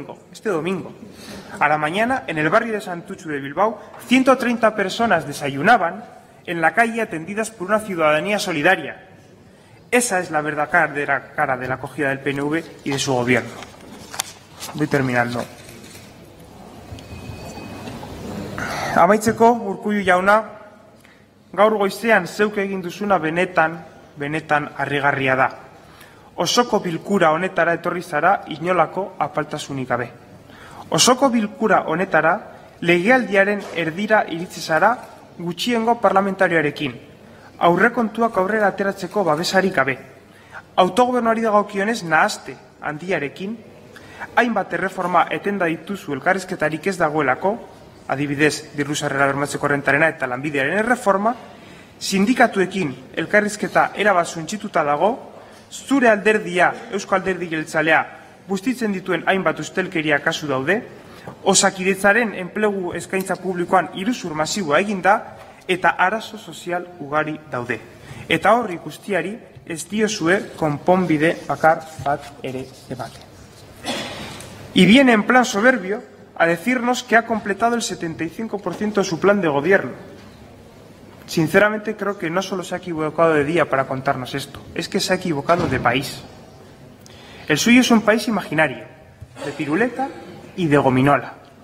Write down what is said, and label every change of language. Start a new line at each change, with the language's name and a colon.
Spanish: Este domingo, a la mañana, en el barrio de Santutxu de Bilbao, 130 personas desayunaban en la calle atendidas por una ciudadanía solidaria. Esa es la verdadera cara de la acogida del PNV y de su gobierno. Voy terminando.
Basque: Amaitzeko, Urkullu jauna, gaur goizean zeuk egin duzuna benetan harrigarria da. Osoko bilkura honetara etorri zara inolako apaltasunik gabe. Osoko bilkura honetara legealdiaren erdira iritsi zara gutxiengo parlamentarioarekin. Aurrekontuak aurrera ateratzeko babesarik gabe. Autogobernuari dagokionez nahaste handiarekin, hainbat erreforma etenda dituzu elkarrizketarik ez dagoelako, adibidez, diru sarrera bermatzeko errentarena eta lanbidearen erreforma, sindikatuekin elkarrizketa erabat suntsituta dago, zure alderdia, Eusko Alderdi Jeltzalea, bustitzen dituen hainbat ustelkeria kasu daude, Osakidetzaren enplegu eskaintza publikoan iruzur masiboa eginda, eta arazo sozial ugari daude. Eta horri guztiari ez diozue konponbide bakar bat ere ematen.
Spanish: Y viene en plan soberbio a decirnos que ha completado el 75% de su plan de gobierno. Sinceramente creo que no solo se ha equivocado de día para contarnos esto, es que se ha equivocado de país. El suyo es un país imaginario, de piruleta y de gominola.